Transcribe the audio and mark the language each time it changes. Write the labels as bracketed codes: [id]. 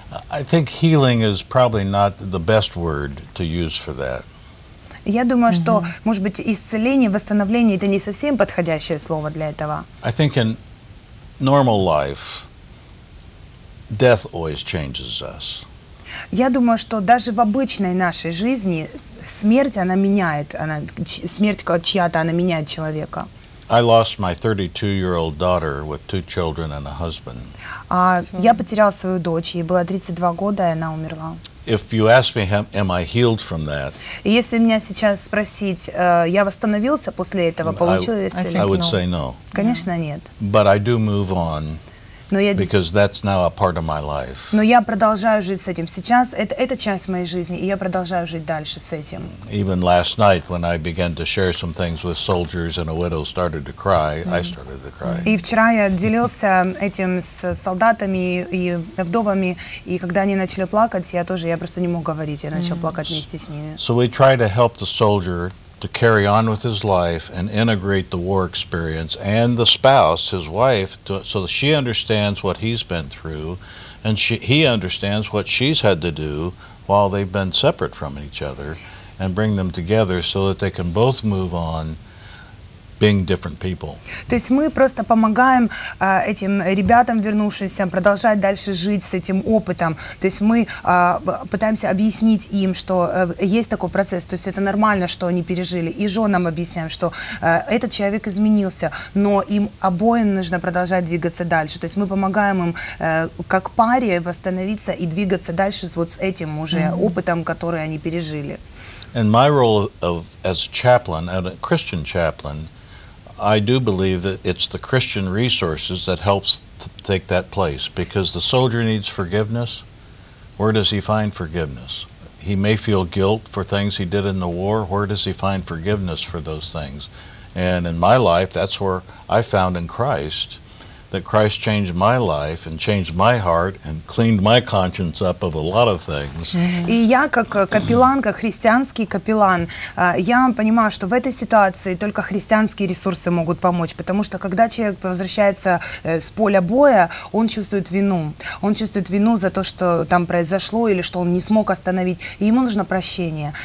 [en] I think healing is probably not the best word to use for that. [ru] Я думаю, что, может быть, исцеление, восстановление — это не совсем подходящее слово для этого. [en] I think in normal life death always changes us. [ru] Я думаю, что даже в обычной нашей жизни смерть, она меняет, она смерть чья-то, она меняет человека. [en] I lost my 32-year-old daughter with 2 children and a husband. [ru] Я потерял свою дочь, ей было 32 года, и она умерла. [en] If you ask me, am I healed from that? [ru] Если меня сейчас спросить, я восстановился после этого, получил ли я исцеление? [en] I would say no. [ru] Конечно, нет. [en] But I do move on. Because that's now a part of my life. [ru] Но я продолжаю жить с этим. Сейчас это часть моей жизни, и я продолжаю жить дальше с этим. [en] Even last night, when I began to share some things with soldiers and a widow started to cry, I started to cry. [ru] И вчера я делился этим с солдатами и вдовами, и когда они начали плакать, я просто не мог говорить, я начал плакать вместе с ними. [en] So we try to help the soldier to carry on with his life and integrate the war experience and the spouse, his wife, so that she understands what he's been through and he understands what she's had to do while they've been separate from each other and bring them together so that they can both move on being different people. [ru] То есть мы просто помогаем этим ребятам, вернувшимся, продолжать дальше жить с этим опытом. То есть мы пытаемся объяснить им, что есть такой процесс, то есть это нормально, что они пережили. И женам объясняем, что этот человек изменился, но им обоим нужно продолжать двигаться дальше. То есть мы помогаем им как паре восстановиться и двигаться дальше вот с этим уже опытом, который они пережили. [en] And my role as chaplain, as a Christian chaplain, I do believe that it's the Christian resources that helps take that place, because the soldier needs forgiveness. Where does he find forgiveness? He may feel guilt for things he did in the war. Where does he find forgiveness for those things? And in my life, that's where I found in Christ, that Christ changed my life and changed my heart and cleaned my conscience up of a lot of things. [ru] И я как капеллан, как христианский капеллан, я понимаю, что в этой ситуации только христианские ресурсы могут помочь, потому что когда человек возвращается с поля боя, он чувствует вину. Он чувствует вину за то, что там произошло или что он не смог остановить, и ему нужно прощение.